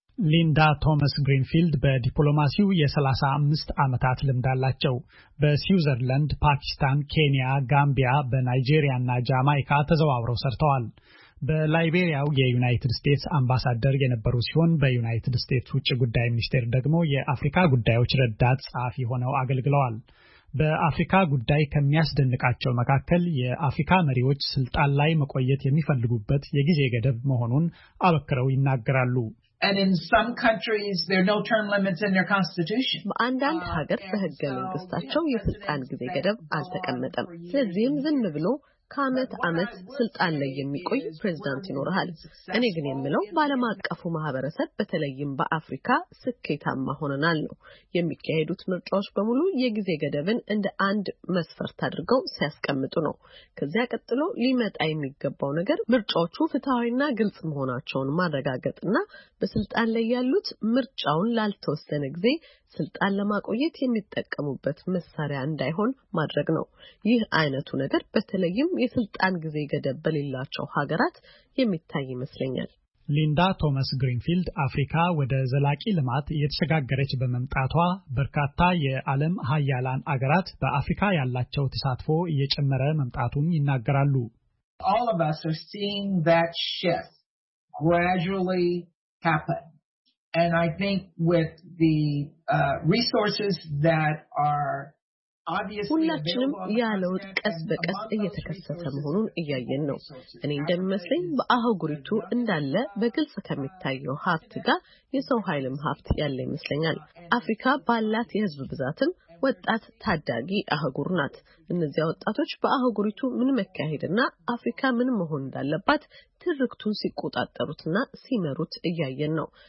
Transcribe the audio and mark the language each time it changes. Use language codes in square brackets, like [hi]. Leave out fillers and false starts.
[am] ሊንዳ ቶማስ ግሪንፊልድ በዲፕሎማሲው የ35 ዓመታት ልምድ አላቸው። በስዊዘርላንድ፣ ፓኪስታን፣ ኬንያ፣ ጋምቢያ፣ በናይጄሪያና ጃማይካ ተዘዋውረው ሰርተዋል። በላይቤሪያው የዩናይትድ ስቴትስ አምባሳደር የነበሩ ሲሆን በዩናይትድ ስቴትስ ውጭ ጉዳይ ሚኒስቴር ደግሞ የአፍሪካ ጉዳዮች ረዳት ጸሐፊ ሆነው አገልግለዋል። በአፍሪካ ጉዳይ ከሚያስደንቃቸው መካከል የአፍሪካ መሪዎች ስልጣን ላይ መቆየት የሚፈልጉበት የጊዜ ገደብ መሆኑን አበክረው ይናገራሉ። [en] And in some countries there are no term limits in their constitution. [am] በአንዳንድ ሀገር በህገ መንግስታቸው የስልጣን ጊዜ ገደብ አልተቀመጠም። ስለዚህም ዝም ብሎ ከአመት አመት ስልጣን ላይ የሚቆይ ፕሬዝዳንት ይኖርሃል። እኔ ግን የምለው ባለም አቀፉ ማህበረሰብ በተለይም በአፍሪካ ስኬታማ ሆነናል ነው። የሚካሄዱት ምርጫዎች በሙሉ የጊዜ ገደብን እንደ አንድ መስፈርት አድርገው ሲያስቀምጡ ነው። ከዚያ ቀጥሎ ሊመጣ የሚገባው ነገር ምርጫዎቹ ፍትሃዊና ግልጽ መሆናቸውን ማረጋገጥና በስልጣን ላይ ያሉት ምርጫውን ላልተወሰነ ጊዜ ስልጣን ለማቆየት የሚጠቀሙበት መሳሪያ እንዳይሆን ማድረግ ነው። ይህ አይነቱ ነገር በተለይም የስልጣን ጊዜ ገደብ በሌላቸው ሀገራት የሚታይ ይመስለኛል። ሊንዳ ቶማስ ግሪንፊልድ አፍሪካ ወደ ዘላቂ ልማት እየተሸጋገረች በመምጣቷ በርካታ የዓለም ሀያላን አገራት በአፍሪካ ያላቸው ተሳትፎ እየጨመረ መምጣቱን ይናገራሉ። [en] All of us are seeing that shift gradually happen. And I think with the resources that are [am] ሁላችንም ያለውት ቀስ በቀስ እየተከሰተ መሆኑን እያየን ነው። እኔ እንደምመስለኝ በአህጉሪቱ እንዳለ በግልጽ ከመታየው ሀብት ጋር የሰው ኃይልም ሀብት ያለ ይመስለኛል። አፍሪካ ባላት የህዝብ ብዛትም ወጣት ታዳጊ አህጉር ናት። እነዚያ ወጣቶች በአህጉሪቱ ምን መካሄድና አፍሪካ ምን መሆን እንዳለባት ትርክቱን ሲቆጣጠሩትና ሲመሩት እያየን ነው።